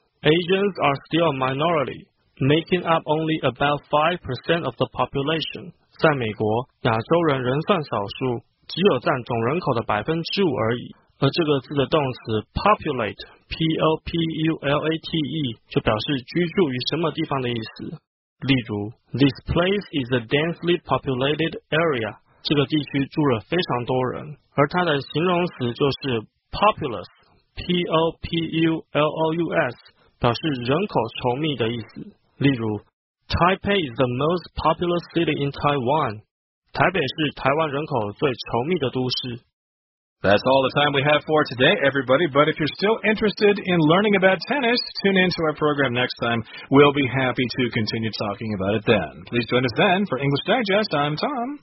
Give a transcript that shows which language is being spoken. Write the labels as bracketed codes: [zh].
[en] Asians are still a minorityMaking up only about 5% of the population. [zh] 在美国，亚洲人仍算少数，只有占总人口的 5% 而已。而这个字的动词 populate, P-O-P-U-L-A-T-E, 就表示居住于什么地方的意思。例如 [en] ,This place is a densely populated area. [zh] 这个地区住了非常多人。而它的形容词就是 populous, P-O-P-U-L-O-U-S, 表示人口稠密的意思。例如 [en] Taipei is the most populous city in Taiwan. [zh] 台北是台湾人口最稠密的都市。 [en] That's all the time we have for today, everybody. But if you're still interested in learning about tennis, tune in to our program next time. We'll be happy to continue talking about it then. Please join us then for English Digest. I'm Tom.